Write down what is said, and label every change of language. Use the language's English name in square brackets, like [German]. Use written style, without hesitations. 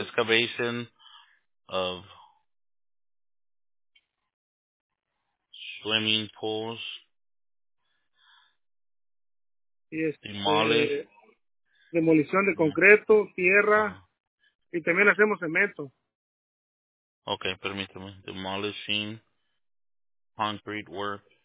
[English] Excavation of swimming pools. Demolish. [Spanish] demolición de concreto, tierra y también hacemos cemento. Okay, permíteme. [English] Demolishing concrete work.